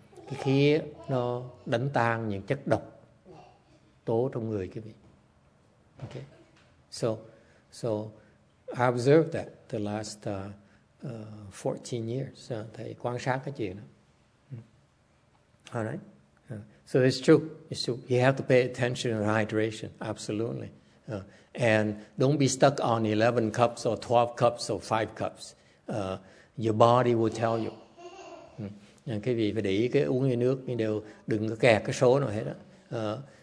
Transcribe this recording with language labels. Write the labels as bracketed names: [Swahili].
[Vietnamese] Cái khí nó đánh tan những chất độc tố trong người quý vị. Okay? [English] So I observed that the last 14 years. [Vietnamese] Thầy quan sát cái chuyện đó. [English] Alright? So it's true. You have to pay attention to hydration, absolutely. And don't be stuck on 11 cups or 12 cups or 5 cups. Your body will tell you. [Vietnamese] Cái vị phải để ý cái uống cái nước, nhưng đều đừng có kẹt cái số nào hết đó.